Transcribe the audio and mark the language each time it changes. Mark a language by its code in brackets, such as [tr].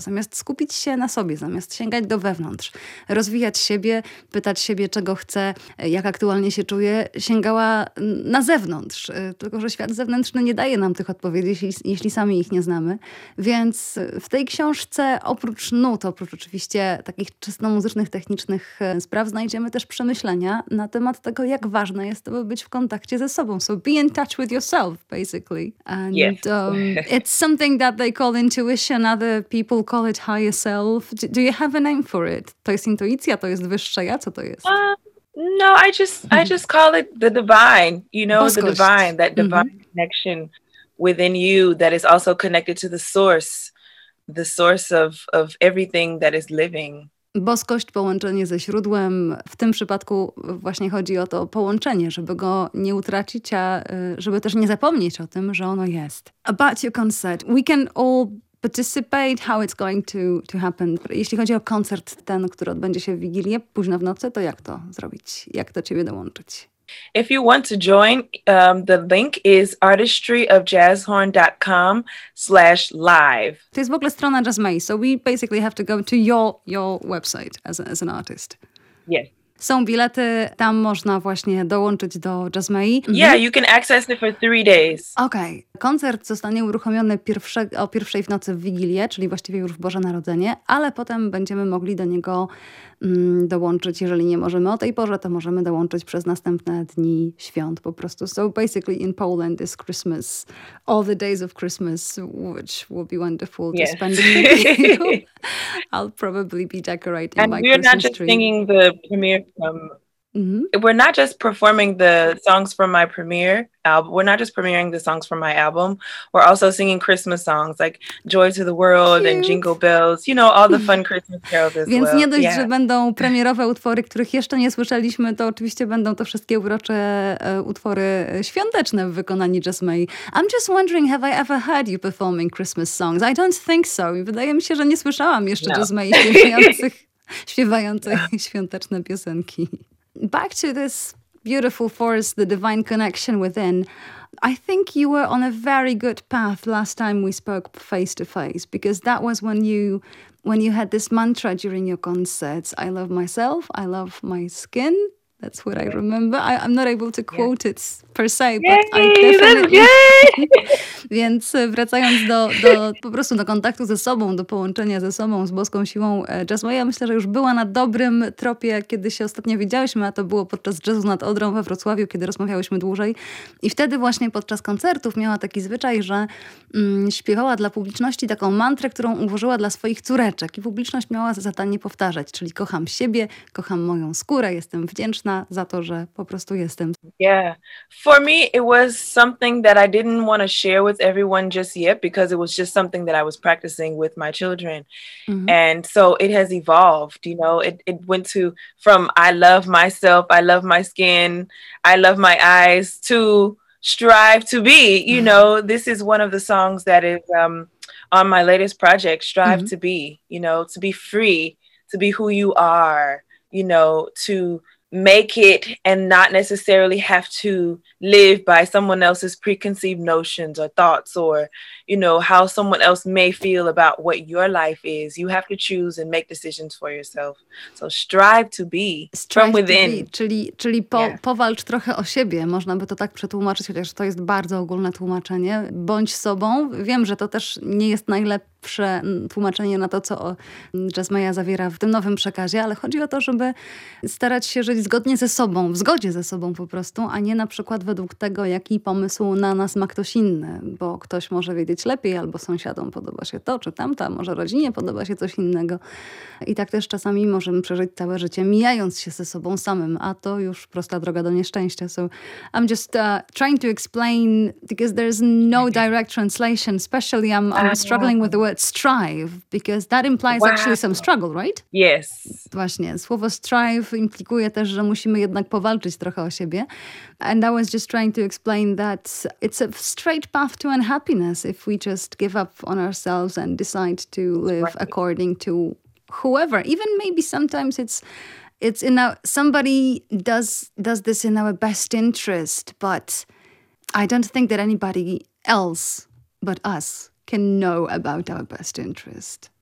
[pl] Zamiast skupić się na sobie, zamiast sięgać do wewnątrz, rozwijać siebie, pytać siebie, czego chcę, jak aktualnie się czuję, sięgała na zewnątrz. Tylko, że świat zewnętrzny nie daje nam tych odpowiedzi, jeśli sami ich nie znamy. Więc w tej książce oprócz nut, oprócz oczywiście takich czysto muzycznych, technicznych spraw, znajdziemy też przemyślenia na temat tego, jak ważne jest to, by być w kontakcie ze sobą. [en] So be in touch with yourself, basically. And it's something that they call intuition, other people call it higher self. Do you have a name for it? [pl] To jest intuicja, to jest wyższe ja, co to jest? [en] No, I just call it the divine, you know, Boskość. The divine, that divine connection within you that is also connected to the source of everything that is living. [pl] Boskość, połączenie ze źródłem. W tym przypadku właśnie chodzi o to połączenie, żeby go nie utracić, a żeby też nie zapomnieć o tym, że ono jest. [en] About your concert, we can all participate, how it's going to happen. [pl] Jeśli chodzi o koncert ten, który odbędzie się w Wigilię, późno w nocy, to jak to zrobić? Jak do ciebie dołączyć? [en] If you want to join, the link is artistryofjazzhorn.com/live. [pl] To jest w ogóle strona Jasmei, [en] so we basically have to go to your website as an artist. Yes. [pl] Są bilety, tam można właśnie dołączyć do Jasmei. [en] Yeah, you can access it for 3 days. Okej. Okay. [pl] Koncert zostanie uruchomiony o pierwszej w nocy w Wigilię, czyli właściwie już w Boże Narodzenie, ale potem będziemy mogli do niego dołączyć, jeżeli nie możemy o tej porze, to możemy dołączyć przez następne dni świąt po prostu. [en] So basically in Poland is Christmas, all the days of Christmas, which will be wonderful to spend with you. I'll probably be decorating and my Christmas tree. And we're not just singing the premiere from... Mm-hmm. We're not just performing the songs from my premiere album. We're not just premiering the songs from my album. We're also singing Christmas songs like Joy to the World and Jingle Bells. You know, all the fun Christmas carols as [pl] Więc [en] well. [pl] Więc nie dość, że będą premierowe utwory, których jeszcze nie słyszeliśmy, to oczywiście będą to wszystkie urocze utwory świąteczne w wykonaniu Jasmei. [en] I'm just wondering, have I ever heard you performing Christmas songs? I don't think so. [pl] Wydaje mi się, że nie słyszałam jeszcze Jasmei śpiewających świąteczne piosenki. [en] Back to this beautiful force, the divine connection within. I think you were on a very good path last time we spoke face to face, because that was when you had this mantra during your concerts: I love myself, I love my skin. That's what I remember. I'm not able to quote it per se, but I definitely... [pl] Więc wracając do po prostu do kontaktu ze sobą, do połączenia ze sobą, z boską siłą jazzu, ja myślę, że już była na dobrym tropie, kiedy się ostatnio widziałyśmy, a to było podczas Jazzu nad Odrą we Wrocławiu, kiedy rozmawiałyśmy dłużej. I wtedy właśnie podczas koncertów miała taki zwyczaj, że śpiewała dla publiczności taką mantrę, którą ułożyła dla swoich córeczek. I publiczność miała za zadanie powtarzać, czyli kocham siebie, kocham moją skórę, jestem wdzięczna za to, że po prostu jestem. [en] Yeah, for me it was something that I didn't want to share with everyone just yet, because it was just something that I was practicing with my children. Mm-hmm. And so it has evolved, you know, it went to from I love myself, I love my skin, I love my eyes, to strive to be, you mm-hmm. know, this is one of the songs that is on my latest project, strive mm-hmm. to be, you know, to be free, to be who you are, you know, to make it and not necessarily have to live by someone else's preconceived notions or thoughts, or, you know, how someone else may feel about what your life is. You have to choose and make decisions for yourself. So strive to be from within. [pl] Czyli powalcz trochę o siebie, można by to tak przetłumaczyć, chociaż to jest bardzo ogólne tłumaczenie. Bądź sobą. Wiem, że to też nie jest najlepsze tłumaczenie na to, co Jazzmeja zawiera w tym nowym przekazie, ale chodzi o to, żeby starać się żyć zgodnie ze sobą, w zgodzie ze sobą po prostu, a nie na przykład według tego, jaki pomysł na nas ma ktoś inny, bo ktoś może wiedzieć lepiej, albo sąsiadom podoba się to, czy tamta, może rodzinie podoba się coś innego. I tak też czasami możemy przeżyć całe życie, mijając się ze sobą samym, a to już prosta droga do nieszczęścia. [en] So I'm just trying to explain, because there's no direct translation, especially I'm struggling with the word strive, because that implies actually some struggle, right? Yes. [pl] Właśnie, słowo strive implikuje też, że musimy jednak powalczyć trochę o siebie. [en] And I was just trying to explain that it's a straight path to unhappiness if we just give up on ourselves and decide to live according to whoever. Even maybe sometimes it's in our, somebody does this in our best interest, but I don't think that anybody else but us can know about our best interest.